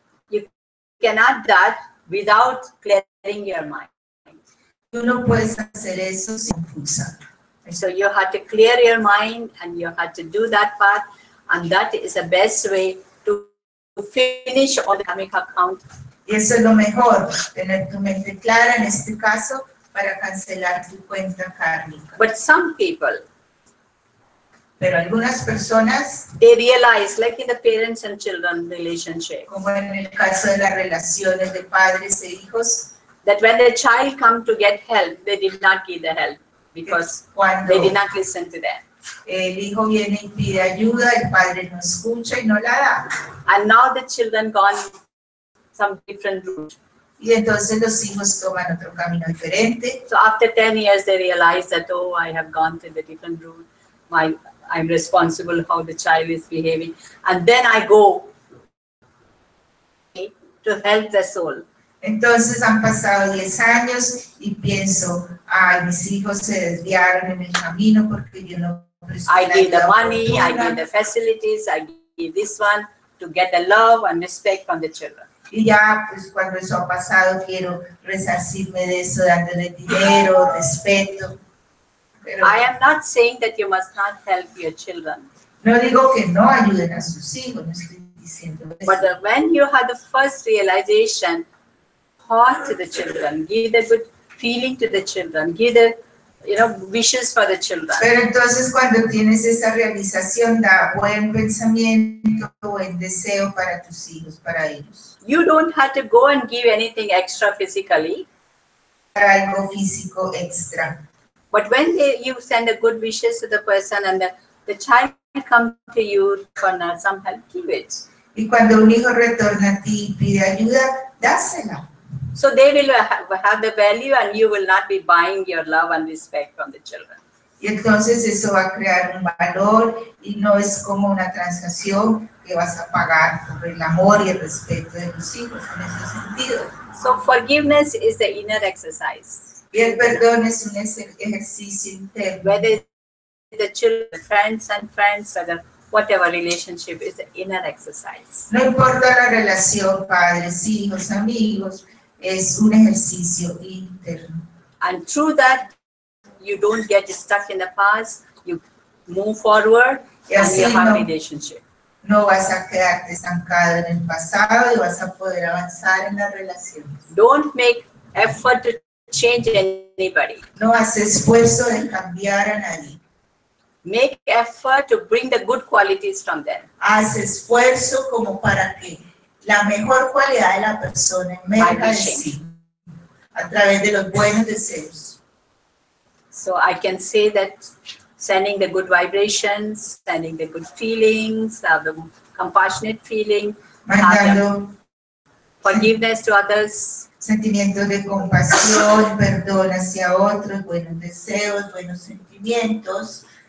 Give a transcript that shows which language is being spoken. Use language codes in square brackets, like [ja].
[en] You cannot do that without clearing your mind. [es] Tú no puedes hacer eso sin pulsar. [en] So you have to clear your mind and you have to do that part, and that is the best way to finish all the kármica count. [es] Y eso es lo mejor, tener tu mente clara en este caso para cancelar tu cuenta kármica. [en] But some people, [es] pero algunas personas, [en] they realize, like in the parents and children relationship, [es] como en el caso de las relaciones de padres e hijos, [en] that when the child come to get help, they did not give the help because they did not listen to them. [es] El hijo viene y pide ayuda, el padre no escucha y no la da. [en] And now the children gone some different route. [es] Y entonces los hijos toman otro camino diferente. [en] So after 10 years they realize that, oh, I have gone to the different route. I'm responsible how the child is behaving. And then I go to help the soul. [es] Entonces han pasado 10 años y pienso, ay, mis hijos se desviaron en el camino porque yo no presto. [en] I give the money, I give the facilities, I give this one to get the love and respect from the children. [es] Y ya, pues cuando eso ha pasado, quiero resarcirme de eso, dándole dinero, respeto. [en] Pero I am not saying that you must not help your children. [es] No digo que no ayuden a sus hijos, no estoy diciendo eso. [en] But when you have the first realization, heart to the children, give the good feeling to the children, give the, you know, wishes for the children. [es] Pero entonces cuando tienes esa realización, da buen pensamiento, buen deseo para tus hijos, para ellos. [en] You don't have to go and give anything extra physically. [es] Para algo físico extra. [en] But when you send a good wishes to the person and the child come to you for some help, give it. [es] Y cuando un hijo retorna a ti y pide ayuda, dásela. [en] So they will have the value and you will not be buying your love and respect from the children. [es] Y entonces eso va a crear un valor y no es como una transacción que vas a pagar por el amor y el respeto de los hijos en ese sentido. [en] So forgiveness is the inner exercise. [es] Y el perdón es un ejercicio interno. [en] Whether the children, friends and friends, whether whatever relationship is the inner exercise. [es] No importa la relación, padres, hijos, amigos, es un ejercicio interno. [en] And through that, you don't get stuck in the past, you move forward and you have a relationship. [es] No vas a quedarte estancado en el pasado y vas a poder avanzar en la relación. [en] Don't make effort to change anybody. [es] No hace esfuerzo de cambiar a nadie. [en] Make effort to bring the good qualities from them. [es] Haz esfuerzo como para que la mejor cualidad de la persona emerja de sí a través de los buenos deseos. [en] So I can say that sending the good vibrations, sending the good feelings, the compassionate feeling, [es] mandando [en] forgiveness to others. [es] Sentimientos de compasión, perdón hacia otros, buenos deseos, buenos sentimientos.